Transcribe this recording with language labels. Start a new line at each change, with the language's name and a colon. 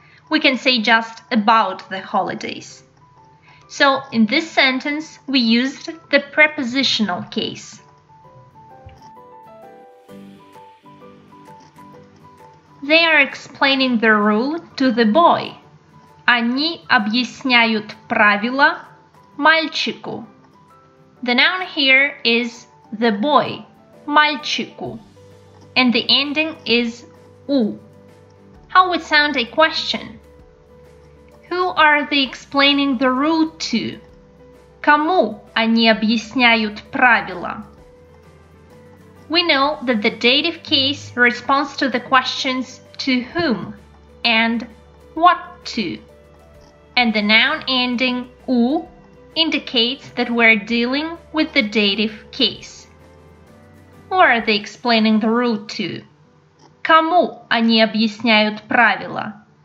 English: We can say just about the holidays. So in this sentence, we used the prepositional case. They are explaining the rule to the boy.
Russian: Они объясняют правила мальчику.
English: The noun here is the boy, мальчику, and the ending is у. How would sound a question? Who are they explaining the rule to?
Russian: Кому они объясняют правила?
English: We know that the dative case responds to the questions to whom and what to, and the noun ending у indicates that we're dealing with the dative case. Who are they explaining the rule to?
Russian: Кому они объясняют правила?